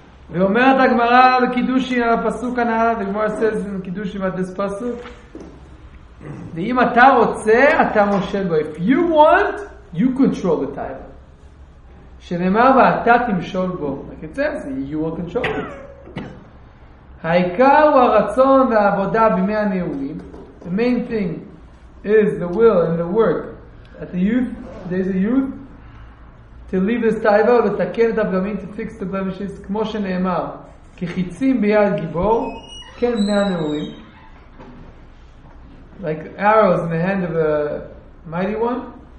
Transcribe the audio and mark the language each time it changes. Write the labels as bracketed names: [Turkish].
[Hebrew] ואומרת הגמרא בקידושין על הפסוק הנ"ל, [English] the Gemara says in Kiddushin about this pasuk, [Hebrew] ואם אתה רוצה, אתה מושל בו. [English] If you want, you control the time. [Hebrew] שנאמר ואתה תמשול בו. [English] Like it says, you will control it. [Hebrew] העיקר הוא הרצון והעבודה בימי הנעורים. [English] The main thing is the will and the work at the youth, days of youth, to leave this taiva [Hebrew] ותקן את הפגמים, [English] to fix the blemishes, [Hebrew] כמו שנאמר, כחיצים ביד גיבור, כן בני הנעורים, [English] like arrows in the hand of a mighty one,